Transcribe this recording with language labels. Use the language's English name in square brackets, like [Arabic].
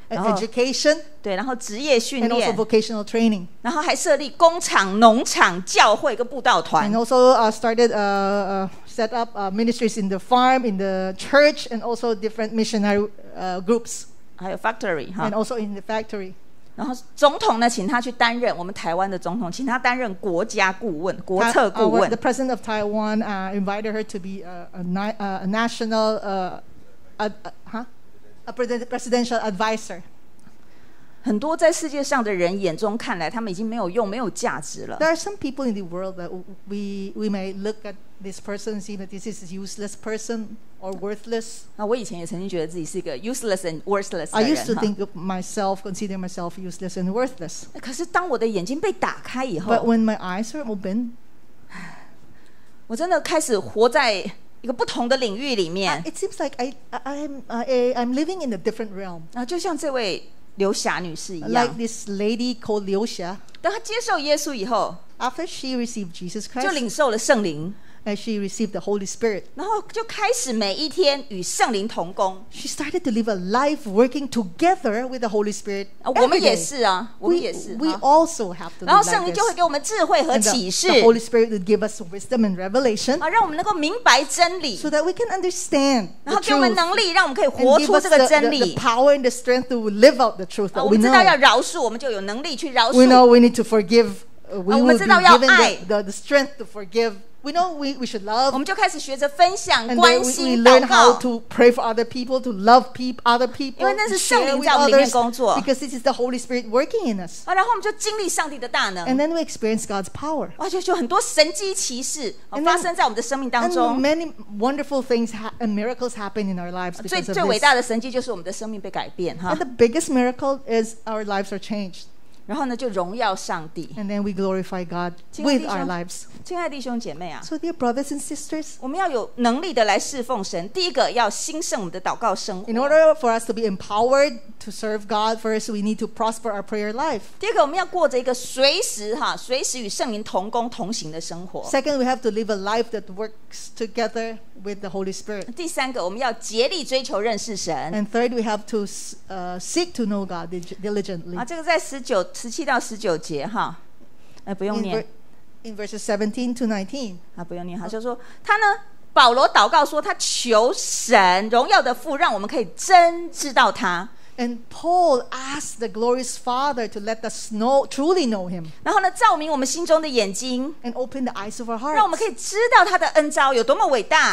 [Chinese] 然后 [English] education [Chinese] 对，然后职业训练 [English] ，and also vocational training， [Chinese] 然后还设立工厂、农场、教会跟布道团 [English] ，and also started set up ministries in the farm, in the church, and also different missionary groups， [Chinese] 还有 [English] factory [Chinese] 哈 [English] ，and also in the factory。 [Chinese] 然后总统呢，请他去担任我们台湾的总统，请他担任国家顾问、国策顾问。 [English] The president of Taiwan invited her to be a national A presidential advisor. [Chinese] 很多在世界上的人眼中看来，他们已经没有用、没有价值了。 [English] There are some people in the world that we may look at this person and see that this is a useless person or worthless. [Chinese] 我以前也曾经觉得自己是一个 [English] useless and worthless [Chinese] 的人。 [English] I used to think of myself, consider myself useless and worthless. [Chinese] 可是当我的眼睛被打开以后 [English] ，But when my eyes were opened, [Chinese] 我真的开始活在。一个不同的领域里面 [English] It seems like I'm living in a different realm [Chinese] 就像这位刘霞女士一样 [English] like this lady called 刘霞 [Chinese] 当她接受耶稣以后 [English] after she received Jesus Christ [Chinese] 就领受了圣灵 [English] and she received the Holy Spirit [Chinese] 然后就开始每一天与圣灵同工 [English] she started to live a life working together with the Holy Spirit [Chinese] 我们也是啊我们也是 [English] we also have to live [Chinese] 然后圣灵就会给我们智慧和启示 [English] the Holy Spirit would give us wisdom and revelation [Chinese] 让我们能够明白真理 [English] so that we can understand the truth [Chinese] 然后给我们能力让我们可以活出这个真理 [English] and give us the power and the strength to live out the truth that we know [Chinese] 我们知道要饶恕我们就有能力去饶恕 [English] we know we need to forgiveWe will be given the strength to forgive. We know we should love. [Chinese] 我们就开始学着分享、 [English] And、 [Chinese] 关心、祷告。 [English] We learn how to pray for other people, to love other people. [Chinese] 因为那是圣灵在我们里面工作。 [English] Because this is the Holy Spirit working in us. [Chinese] 然后我们就经历上帝的大能。 [English] And then we experience God's power. [Chinese] 哇，就很多神迹奇事发生在我们的生命当中。 [English] And many wonderful things and miracles happen in our lives because of this. [Chinese] 最伟大的神迹就是我们的生命被改变。 [English] And the biggest miracle is our lives are changed. [Chinese] 然后呢，就荣耀上帝。 [English] And then we glorify God with our lives. [Chinese] 亲爱的弟兄姐妹啊 [English] ，So dear brothers and sisters, [Chinese] 我们要有能力的来侍奉神。第一个要兴盛我们的祷告生活。 [English] In order for us to be empowered to serve God, first we need to prosper our prayer life. [Chinese] 第二个，我们要过着一个随时与圣灵同工同行的生活。 [English] Second, we have to live a life that works together with the Holy Spirit. [Chinese] 第三个，我们要竭力追求认识神。 [English] And third, we have to seek to know God diligently. [Chinese] 啊，这个在十七到十九节哈，不用念。 [English] In verses 17 to 19， [Chinese] 不用念哈，就说他呢，保罗祷告说，他求神荣耀的父，让我们可以真知道他。 [English] And Paul asked the glorious Father to let us know, truly know him. [Chinese] 然后呢，照明我们心中的眼睛。 [English] And open the eyes of our hearts. [Chinese] 让我们可以知道他的恩召有多么伟大。